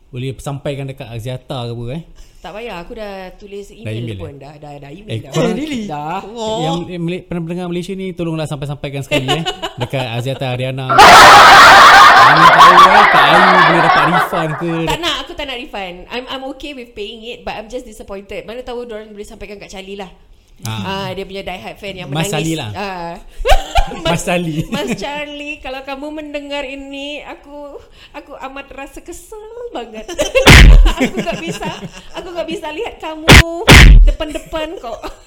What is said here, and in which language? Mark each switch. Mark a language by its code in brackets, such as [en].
[ms] Boleh sampaikan dekat Aziata ke apa eh? Tak payah, aku dah tulis email, pun. Dah email dah. Korang really? Dah. Oh. Yang pendengar Malaysia ni, tolonglah sampaikan sekali eh. Dekat Aziata Ariana. Tak boleh dapat refund ke? Tak nak, aku tak nak refund. [en] I'm okay with paying it, but I'm just disappointed. [ms] Mana tahu diorang boleh sampaikan kat Charlie lah. Dia punya diehard fan yang Mas menangis. Ali lah. Mas Ali. [id] Mas Charlie, kalau kamu mendengar ini, aku amat rasa kesel banget. aku tak bisa lihat kamu depan-depan kok.